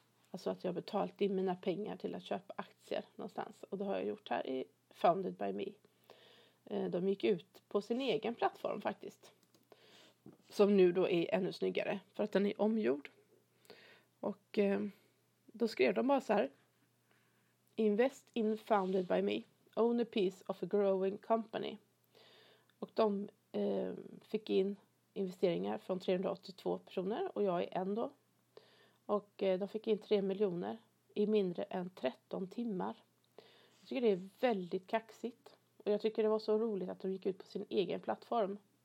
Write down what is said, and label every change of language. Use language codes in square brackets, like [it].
[sv] Alltså att jag har betalt in mina pengar till att köpa aktier någonstans. Och det har jag gjort här i Founded by Me. De gick ut på sin egen plattform faktiskt. Som nu då är ännu snyggare för att den är omgjord. Och då skrev de bara så här. [en] Invest in Founded by Me. Own a piece of a growing company. [sv] Och de fick in investeringar från 382 personer. Och jag är en då. Och de fick in 3 miljoner i mindre än 13 timmar. Jag tycker det är väldigt kaxigt. Och jag tycker det var så roligt att de gick ut på sin egen plattform.